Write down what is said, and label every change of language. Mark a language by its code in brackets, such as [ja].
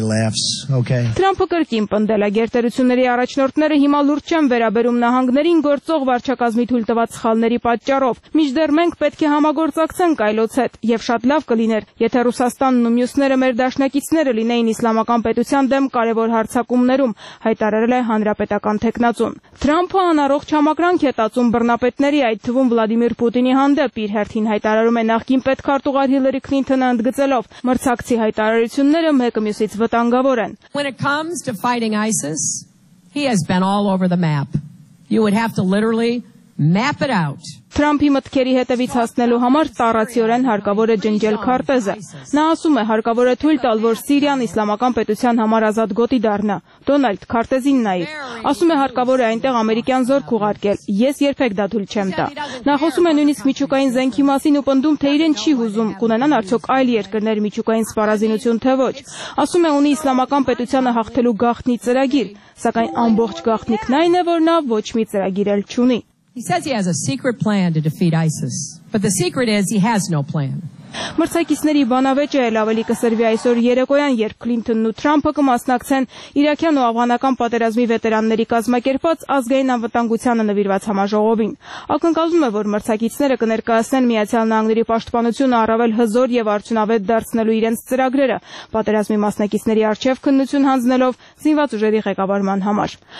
[hy] Թրամփը կրկին պնդել է, գերտերությունների առաջնորդները հիմա լուրջ չեն վերաբերում նահանգներին գործող վարչակազմի թույլ տված սխալների պատճառով։ Մինչդեռ մենք պետք է համագործակցենք այլոց հետ, և շատ լավ կլիներ, եթե Ռուսաստանն ու մյուսները մեր դաշնակիցները լինեին Իսլամական պետության դեմ կարևոր հարձակումներում, հայտարարել է հանրապետական թեկնածուն։ Թրամփը անառողջ համակրանք է տածում բռնապետների, այդ թվում Վլադիմիր Պուտինի հանդեպ, իր հերթին հայտարարում է նախկին պետքարտուղար Հիլլարի Քլինթոնը ընդգծելով. Մրցակցի հայտարարությունները մեկը մյուսից վտանգավոր են։ [en] When it comes to fighting ISIS, he has been all over the map. You would have to literally map it out. [hy] Թրամփի մտքերի հետևից հասնելու համար տարածիորեն հարկավոր է ջնջել քարտեզը։ Նա ասում է, հարկավոր է թույլ տալ, որ Սիրիան Իսլամական պետության համար ազատ գոտի դառնա։ Դոնալդ քարտեզին նաև ասում է, հարկավոր է այնտեղ ամերիկյան զորք ուղարկել։ Ես երբեք դա թույլ չեմ տա։ Նա խոսում է նույնիսկ միջուկային զենքի մասին ու պնդում, թե իրեն չի հուզում կունենան արդյոք այլ երկրներ միջուկային սպառազինություն, թե ոչ։ Ասում է, ունի Իսլամական պետությանը հաղթելու գաղտնի ծրագիր, սակայն ամբողջ գաղտնիքն այն է, որ նա ոչ մի ծրագիր էլ չունի։ [en] He says he has a secret plan to defeat ISIS, but the secret is he has no plan. [hy] Մրցակիցների բանավեճը էլ ավելի կսրվի այսօր երեկոյան, երբ Քլինթոնն ու Թրամփը կմասնակցեն Իրաքյան ու Աֆղանական պատերազմի վետերանների կազմակերպած ազգային անվտանգությանը նվիրված համաժողովին։ Ակնկալվում է, որ մրցակիցները կներկայացնեն Միացյալ Նահանգների պաշտպանությունը առավել հզոր և արդյունավետ դարձնելու իրենց ծրագրերը, պատերազմի մասնակիցների առջև քննություն հանձնելով զինված ուժերի ղեկավարման համար։